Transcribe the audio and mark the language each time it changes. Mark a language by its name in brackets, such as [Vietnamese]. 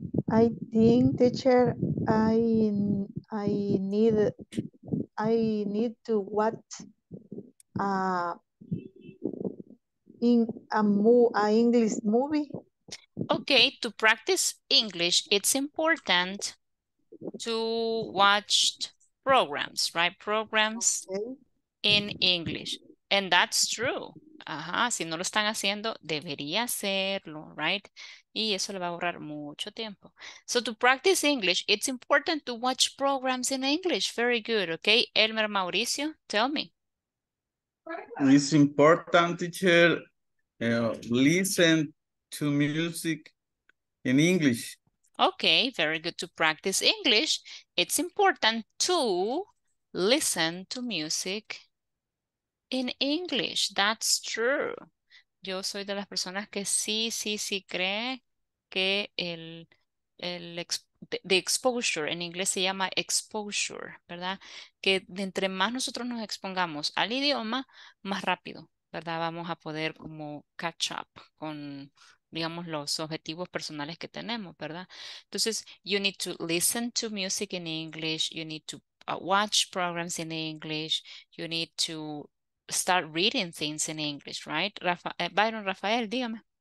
[English] I think, teacher, I need to watch an English movie. Okay, to practice English, it's important to watch programs, right? Programs in English. And that's true. [Spanish] Ajá, si no lo están haciendo, debería hacerlo, right? Y eso le va a ahorrar mucho tiempo. [English] So to practice English, it's important to watch programs in English. Very good, okay? Elmer Mauricio, tell me. It's important, teacher, listen to music in English. Okay, very good. To practice English, it's important to listen to music in English. That's true. [Spanish] Yo soy de las personas que sí cree que the exposure, en inglés se llama exposure, ¿verdad? Que entre más nosotros nos expongamos al idioma, más rápido, ¿verdad? Vamos a poder como [English] catch up [Spanish] con, digamos, los objetivos personales que tenemos, ¿verdad? [English] Entonces, you need to listen to music in English, you need to watch programs in English, you need to start reading things in English, right? [Spanish] Byron Rafael, dígame.